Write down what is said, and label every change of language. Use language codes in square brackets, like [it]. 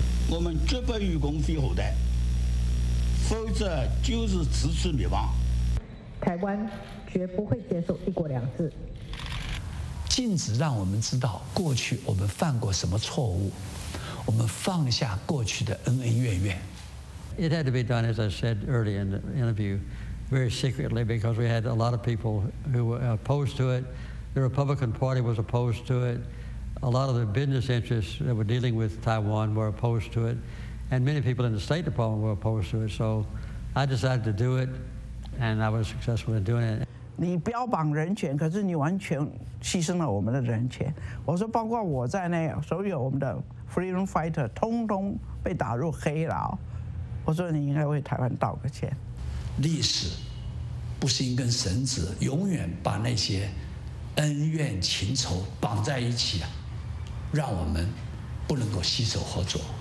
[zh] 我们绝不与共匪后代，否则就是自取灭亡。台湾绝不会接受一国两制。禁止让我们知道过去我们犯过什么错误，我们放下过去的恩恩怨怨。 [en] It had to be done, as I said earlier in the interview, very secretly because we had a lot of people who were opposed to it. The Republican Party was opposed to it. A lot of the business interests that were dealing with Taiwan were opposed to it. And many people in the State Department were opposed to it. So I decided to do it, and I was successful in doing it. [zh] 你标榜人权，可是你完全牺牲了我们的人权。我说包括我在内，所有我们的 [en] freedom fighter [zh] 通通被打入黑牢。我说你应该为台湾道个歉。历史不是一根绳子，永远把那些恩怨情仇绑在一起啊，让我们不能够携手合作。